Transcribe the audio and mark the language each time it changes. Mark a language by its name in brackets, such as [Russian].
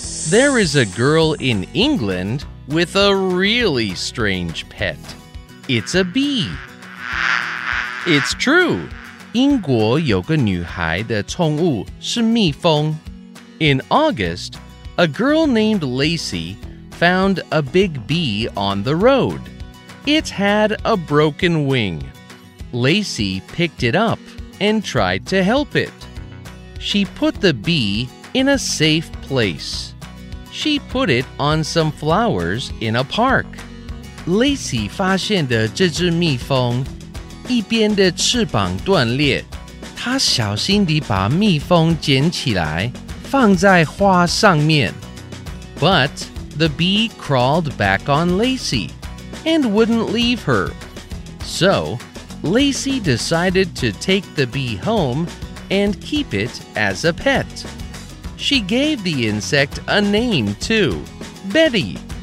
[English] There is a girl in England with a really strange pet. It's a bee. It's true. [Chinese] 英国有个女孩的宠物是蜜蜂。 [English] In August, a girl named Lacey found a big bee on the road. It had a broken wing. Lacey picked it up and tried to help it. She put the bee in a safe place. She put it on some flowers in a park. [Chinese] Lacey 发现的这只蜜蜂一边的翅膀断裂，她小心地把蜜蜂捡起来，放在花上面。 [English] But the bee crawled back on Lacey and wouldn't leave her. So, Lacey decided to take the bee home and keep it as a pet. She gave the insect a name too, Betty.